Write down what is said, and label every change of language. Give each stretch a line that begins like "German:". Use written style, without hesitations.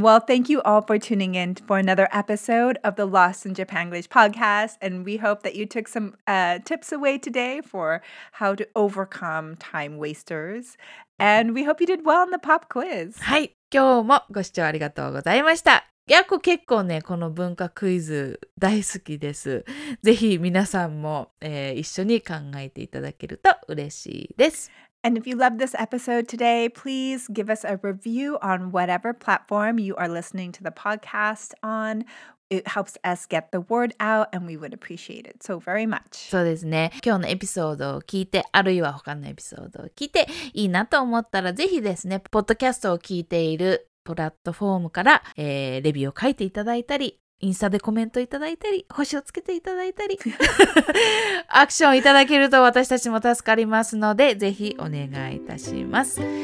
English: Well, thank you all for tuning in for another episode of the Lost in Japanglish podcast. And we hope that you took some tips away today for how to overcome time wasters. And we hope you did well in the pop quiz.
Japanese: はい、今日もご視聴ありがとうございました。やっこ結構ね、この文化クイズ大好きです。ぜひ皆さんも、一緒に考えていただけると嬉しいです。
English: And if you love this episode today, please give us a review on whatever platform you are listening to the podcast on. It helps us get the word out and we would appreciate it so very much.
Japanese: そうですね。今日のエピソードを聞いて、あるいは他のエピソードを聞いていいなと思ったら、ぜひですね、ポッドキャストを聞いているプラットフォームから、レビューを書いていただいたり、インスタでコメントいただいたり、星をつけていただいたり、アクションいただけると私たちも助かりますので、ぜひお願いいたします。